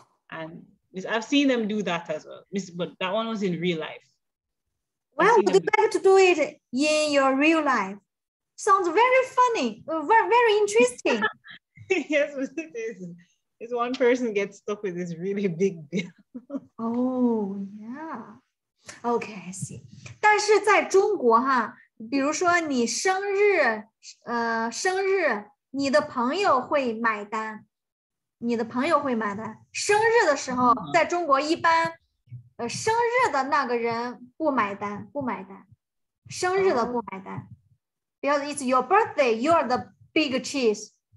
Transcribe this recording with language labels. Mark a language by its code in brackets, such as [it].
[en] And Miss, I've seen them do that as well. Miss, but that one was in real life. Well, would you like to do it in your real life? Sounds very funny, very interesting. Yes, Miss, it is. It's one person gets stuck with this really big bill. Oh, yeah. Okay, I see. [zh] 但是在中国哈，比如说你生日，生日，你的朋友会买单。你的朋友会买单。生日的时候，在中国一般，生日的那个人不买单，不买单。生日的不买单。 [en] Because it's your birthday, you are the big cheese.